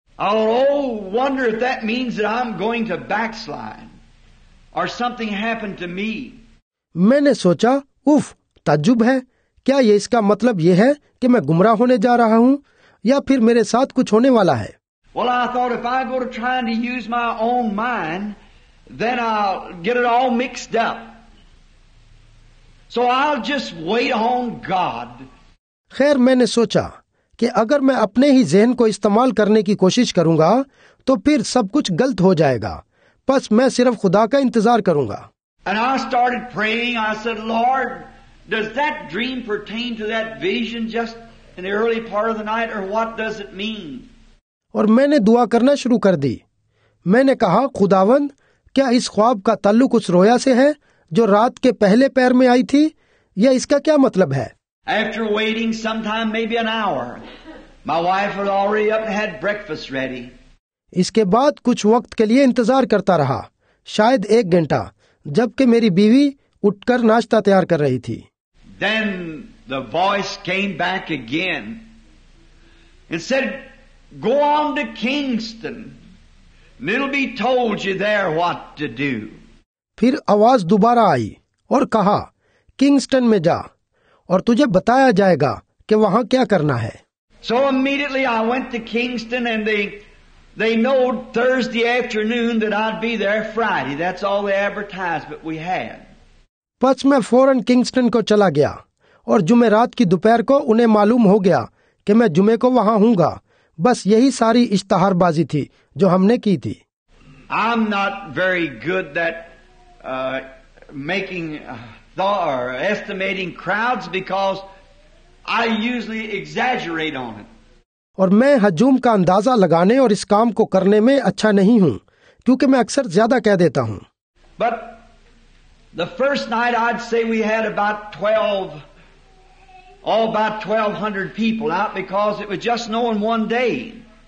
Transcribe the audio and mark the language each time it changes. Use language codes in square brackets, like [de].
[en] Oh, wonder if that means that I'm going to backslide or something happened to me. [hi] मैंने सोचा, उफ, ताज्जुब है, क्या ये इसका मतलब ये है कि मैं गुमराह होने जा रहा हूँ या फिर मेरे साथ कुछ होने वाला है. [en] Well, I thought if I go to trying to use my own mind, then I'll get it all mixed up. So I'll just wait on God. [hi] खैर, मैंने सोचा कि अगर मैं अपने ही ज़हन को इस्तेमाल करने की कोशिश करूँगा, तो फिर सब कुछ गलत हो जाएगा. बस मैं सिर्फ खुदा का इंतज़ार करूँगा. [en] And I started praying. I said, Lord, does that dream pertain to that vision just in the early part of the night, or what does it mean? [hi] और मैंने दुआ करना शुरू कर दी. मैंने कहा, खुदावंद, क्या इस ख्वाब का ताल्लुक उस रोया से है जो रात के पहले पैर में आई थी, या इसका क्या मतलब है? [en] After waiting some time, maybe an hour, my wife had already up and had breakfast ready. [hi] इसके बाद कुछ वक्त के लिए इंतजार करता रहा, शायद एक घंटा, जबकि मेरी बीवी उठकर नाश्ता तैयार कर रही थी. [en] Then the voice came back again and said, Go on to Kingston. It'll be told you there what to do. [hi] फिर आवाज दोबारा आई और कहा, किंगस्टन में जा और तुझे बताया जाएगा कि वहाँ क्या करना है. [en] So immediately I went to Kingston and they know Thursday afternoon that I'd be there Friday. That's all the advertisement we had. [hi] बस मैं फौरन किंगस्टन को चला गया और जुमे रात की दोपहर को उन्हें मालूम हो गया कि मैं जुमे को वहाँ हूँगा. बस यही सारी इश्तहारबाजी थी जो हमने की थी. [en] I'm not very good at making or estimating crowds because I usually exaggerate on it. [hi] और मैं हजूम का अंदाजा लगाने और इस काम को करने में अच्छा नहीं हूँ, क्योंकि मैं अक्सर ज्यादा कह देता हूँ. [en] But the first night I'd say we had about 12 all about 1,200 people out because it was just known one day.